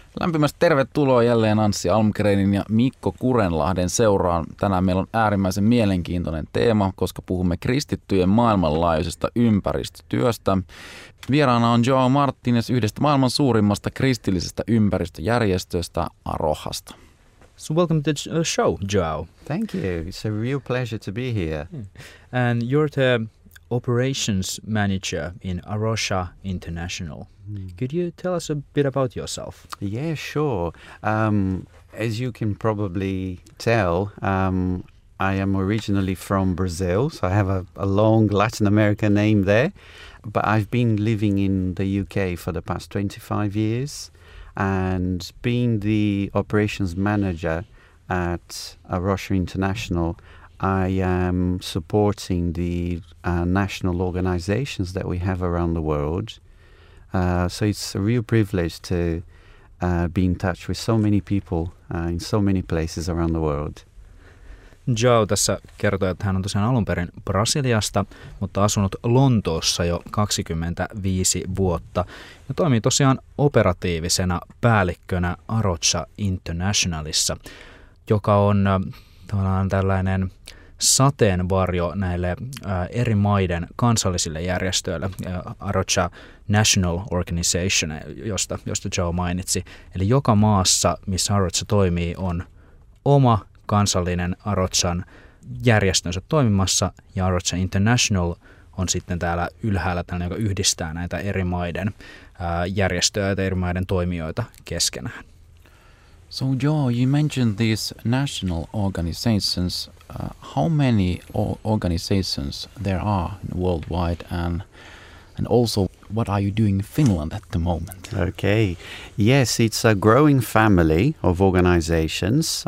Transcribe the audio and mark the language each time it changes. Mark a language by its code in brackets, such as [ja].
[fi] Lämpimästi tervetuloa jälleen Anssi Almgrenin ja Mikko Kurenlahden seuraan. Tänään meillä on äärimmäisen mielenkiintoinen teema, koska puhumme kristittyjen maailmanlaajuisesta ympäristötyöstä. Vieraana on João Martínez yhdestä maailman suurimmasta kristillisestä ympäristöjärjestöstä Arohasta. [en] So welcome to the show, João. Thank you. It's a real pleasure to be here. And you're the operations manager in Arosha International. Could you tell us a bit about yourself? Yeah, sure. As you can probably tell, I am originally from Brazil, so I have a long Latin America name there. But I've been living in the UK for the past 25 years and being the operations manager at Arosha International, I am supporting the national organizations that we have around the world. So it's a real privilege to be in touch with so many people in so many places around the world. [fi] João tässä kertoi, että hän on tosiaan alun perin Brasiliasta, mutta asunut Lontoossa jo 25 vuotta ja toimii tosiaan operatiivisena päällikkönä Arocha Internationalissa, joka on tavallaan tällainen sateenvarjo näille eri maiden kansallisille järjestöille, Arocha National Organization, josta João mainitsi. Eli joka maassa, missä Arocha toimii, on oma kansallinen Arochan järjestönsä toimimassa, ja Arocha International on sitten täällä ylhäällä tällainen, joka yhdistää näitä eri maiden järjestöitä, eri maiden toimijoita keskenään. [en] So, João, you mentioned these national organizations. How many organizations there are worldwide, and also what are you doing in Finland at the moment? Okay, yes, it's a growing family of organizations.